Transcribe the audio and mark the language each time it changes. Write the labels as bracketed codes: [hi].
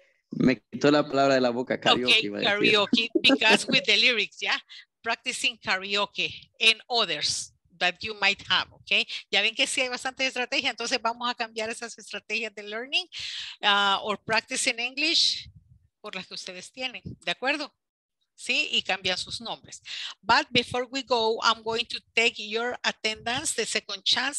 [es] Me quitó la palabra de la boca, karaoke. [en] Okay, karaoke, because with the lyrics, yeah? Practicing karaoke and others that you might have, okay? [es] Ya ven que sí hay bastante estrategia, entonces vamos a cambiar esas estrategias de [en] learning or practicing English [es] por las que ustedes tienen, ¿de acuerdo? Sí, y cambian sus nombres. [en] But before we go, I'm going to take your attendance, the second chance.